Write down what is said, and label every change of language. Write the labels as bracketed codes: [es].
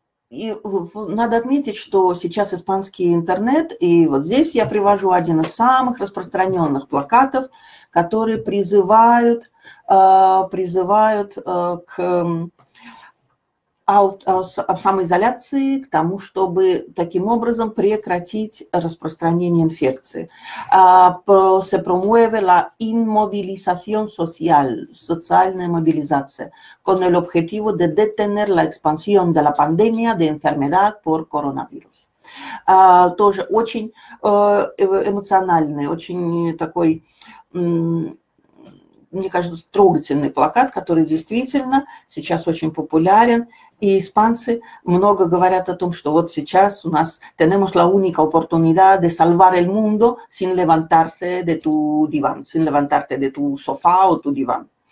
[ru] И надо отметить, что сейчас испанский интернет, и вот здесь я привожу один из самых распространенных плакатов, которые призывают к самоизоляции, к тому, чтобы таким образом прекратить распространение инфекции. [es] Se promueve la inmovilización social, [ru] социальная мобилизация, [es] con el objetivo de detener la expansión de la pandemia de enfermedad por coronavirus. [ru] Тоже очень эмоциональный, очень такой, мне кажется, трогательный плакат, который действительно сейчас очень популярен. И испанцы много говорят о том, что вот сейчас у нас [es] tenemos la única oportunidad de salvar el mundo sin levantarse de tu diván, [ru] sin levantarte de tu sofá o tu diván.